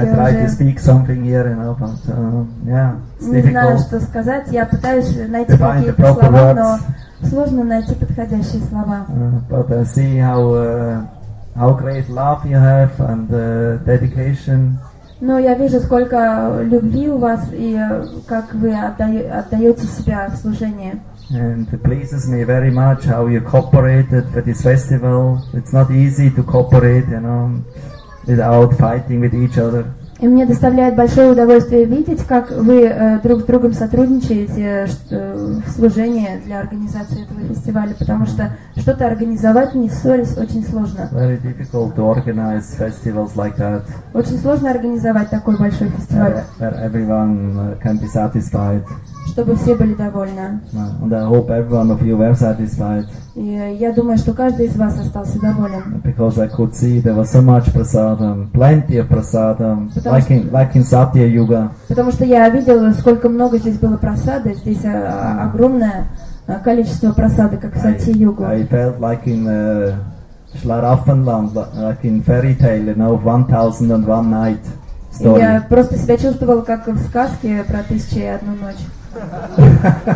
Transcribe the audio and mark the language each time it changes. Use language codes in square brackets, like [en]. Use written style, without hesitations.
[en] I try to speak something here, you know, but difficult. [ru] Не знаю, что сказать. Я пытаюсь найти какие-то слова, [en] words. [ru] Но сложно найти подходящие слова. [en] But I see how great love you have and dedication. [ru] Но я вижу, сколько любви у вас и как вы отдаете себя в служение. [en] And it pleases me very much how you cooperated for this festival. It's not easy to cooperate, you know. Without fighting with each other. [ru] И мне доставляет большое удовольствие видеть, как вы друг с другом сотрудничаете в служении для организации этого фестиваля, потому что что-то организовать, не ссорясь, очень сложно. [en] Very difficult to organize festivals like that. [ru] Очень сложно организовать такой большой фестиваль. [en] Where everyone can be satisfied. [ru] Чтобы все были довольны. [en] And I hope everyone of you were satisfied. [ru] И я думаю, что каждый из вас остался доволен. [en] Because I could see there was so much prasadam, plenty of prasadam, like in Satya Yuga. [ru] Потому что я видел, сколько много здесь было прасады, здесь огромное количество прасады, как в Сати Югу. [en] I felt like in Schlaraffenland, like in fairy tale, you know, 1001 night story. [ru] Я просто себя чувствовал как в сказке про тысячу и одну ночь.